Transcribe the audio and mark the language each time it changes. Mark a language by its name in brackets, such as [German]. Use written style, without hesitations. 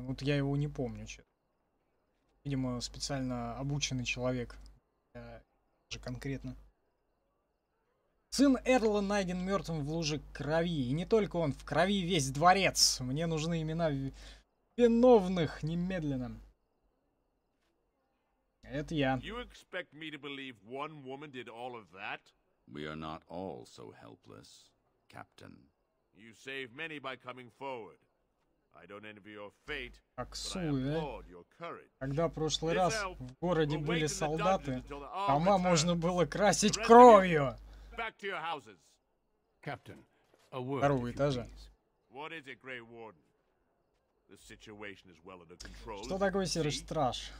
[Russian] Вот я его не помню. Видимо, специально обученный человек. Даже конкретно. Сын Эрла найден мертвым в луже крови. И не только он, в крови весь дворец. Мне нужны имена виновных немедленно. Это я. [English] You expect me to believe one woman did all of that? We are not all so helpless, Captain. You save many by coming forward. I don't envy your fate, but I applaud your courage. [Russian] Когда в прошлый раз в городе были солдаты, дома можно было красить кровью. [English] Back to your houses. Captain, a word. [Russian] Второго этажа. [English] What is it, Grey Warden? The situation is well under control. [Russian] Что такое серый страж?